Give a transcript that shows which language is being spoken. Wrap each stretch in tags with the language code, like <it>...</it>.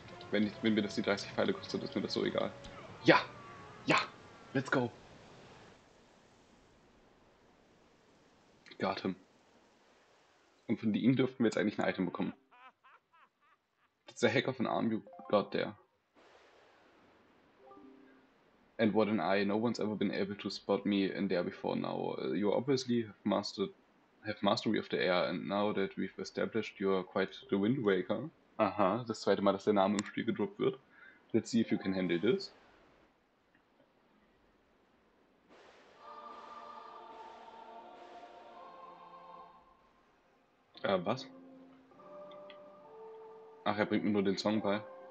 <de>Wenn mir das die 30 Pfeile kostet, ist mir das so egal. Ja! Ja!</de> <en>Let's go! Gartem.</en> <de>Und von ihm dürften wir jetzt eigentlich ein Item bekommen.</de> <en>That's the heck of an arm you got there. And what an eye, no one's ever been able to spot me in there before now. You obviously have mastery of the air, and now that we've established you're quite the Wind Waker.</en> <de>Aha, das zweite Mal, dass der Name im Spiel gedroppt wird.</de> <en>Let's see if you can handle this.</en> <de>Was? Ach, er bringt mir nur den Song bei.</de>